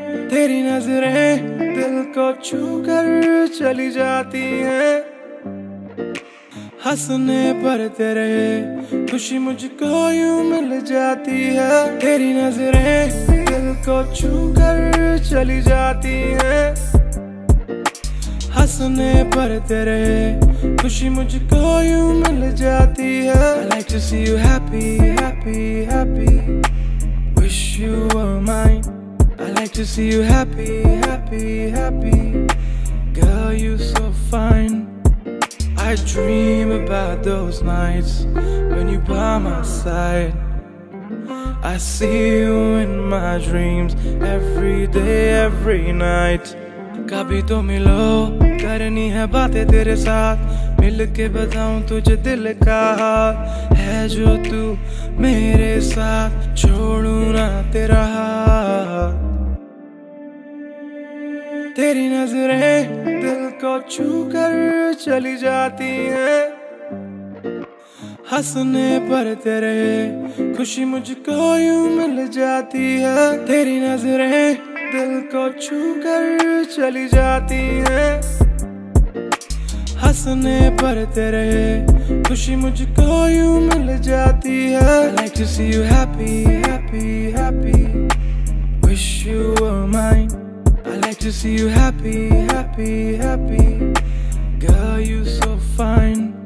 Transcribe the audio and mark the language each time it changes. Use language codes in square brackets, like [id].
[hi] तेरी नजरें दिल को छूकर चली जाती हैं, हंसने पर तेरे खुशी मुझको यूं मिल जाती है। तेरी नजरें दिल को छूकर चली जाती हैं, हंसने पर तेरे खुशी मुझको यूं मिल जाती है। [en] I like to see you happy, happy, happy. Wish you were mine. I like to see you happy, happy, happy. Girl, you so fine. I dream about those nights when you by my side. I see you in my dreams every day, every night. [hi] कभी तो मिलो, करनी है बातें तेरे साथ, मिलके बताऊं तुझे दिल का हाल है जो तू मेरे साथ, छोड़ू ना तेरा। तेरी नजरें दिल को छूकर चली जाती हैं, हंसने पर तेरे खुशी मुझको यूं मिल जाती है। तेरी नजरें दिल को छूकर चली जाती हैं, हंसने पर तेरे खुशी मुझको यूं मिल जाती है। [en] I like to see you happy, happy, happy. Wish you were mine. I like to see you happy, happy, happy. Girl, you so fine.